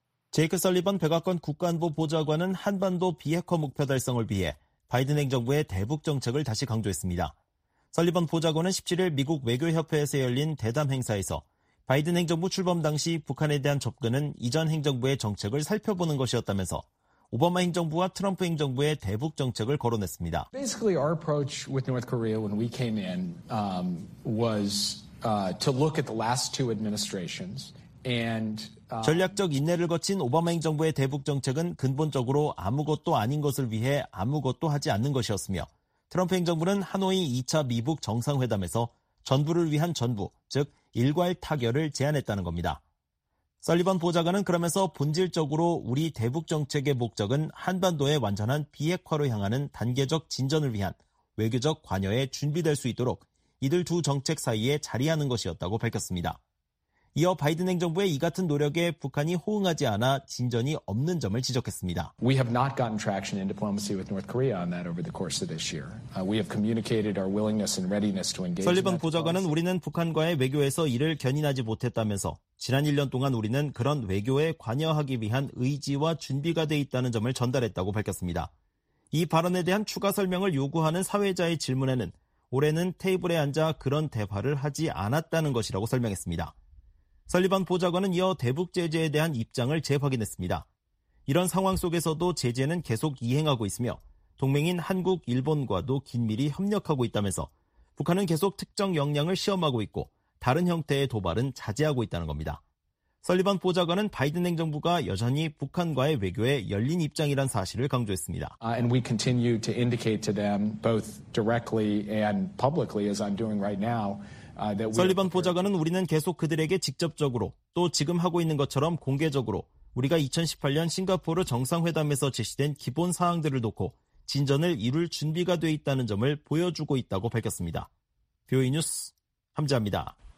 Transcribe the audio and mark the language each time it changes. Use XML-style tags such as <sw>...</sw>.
<ko>제이크 설리번 백악관 국가안보보좌관은 한반도 비핵화 목표 달성을 위해 바이든 행정부의 대북 정책을 다시 강조했습니다. 설리번 보좌관은 17일 미국 외교협회에서 열린 대담 행사에서 바이든 행정부 출범 당시 북한에 대한 접근은 이전 행정부의 정책을 살펴보는 것이었다면서 오바마 행정부와 트럼프 행정부의 대북 정책을 거론했습니다.</ko> <en>Basically, our approach with North Korea when we came in was to look at the last two administrations and</en> <ko>전략적 인내를 거친 오바마 행정부의 대북 정책은 근본적으로 아무것도 아닌 것을 위해 아무것도 하지 않는 것이었으며 트럼프 행정부는 하노이 2차 미북 정상회담에서 전부를 위한 전부, 즉 일괄 타결을 제안했다는 겁니다. 설리번 보좌관은 그러면서 본질적으로 우리 대북 정책의 목적은 한반도의 완전한 비핵화로 향하는 단계적 진전을 위한 외교적 관여에 준비될 수 있도록 이들 두 정책 사이에 자리하는 것이었다고 밝혔습니다. 이어 바이든 행정부의 이 같은 노력에 북한이 호응하지 않아 진전이 없는 점을 지적했습니다.</ko> <en>We have not gotten traction in diplomacy with North Korea on that over the course of this year. We have communicated our willingness and readiness to engage.</en> <ko>설리번 보좌관은 우리는 북한과의 외교에서 이를 견인하지 못했다면서 지난 1년 동안 우리는 그런 외교에 관여하기 위한 의지와 준비가 돼 있다는 점을 전달했다고 밝혔습니다. 이 발언에 대한 추가 설명을 요구하는 사회자의 질문에는 올해는 테이블에 앉아 그런 대화를 하지 않았다는 것이라고 설명했습니다. 설리번 보좌관은 이어 대북 제재에 대한 입장을 재확인했습니다. 이런 상황 속에서도 제재는 계속 이행하고 있으며 동맹인 한국, 일본과도 긴밀히 협력하고 있다면서 북한은 계속 특정 역량을 시험하고 있고 다른 형태의 도발은 자제하고 있다는 겁니다. 설리번 보좌관은 바이든 행정부가 여전히 북한과의 외교에 열린 입장이란 사실을 강조했습니다.</ko> <en>And we continue to indicate to them both directly and publicly as I'm doing right now.</en> <ko>설리번 보좌관은 우리는 계속 그들에게 직접적으로 또 지금 하고 있는 것처럼 공개적으로 우리가 2018년 싱가포르 정상회담에서 제시된 기본 사항들을 놓고 진전을 이룰 준비가 돼 있다는 점을 보여주고 있다고 밝혔습니다. VOA 뉴스 함지아입니다.</ko>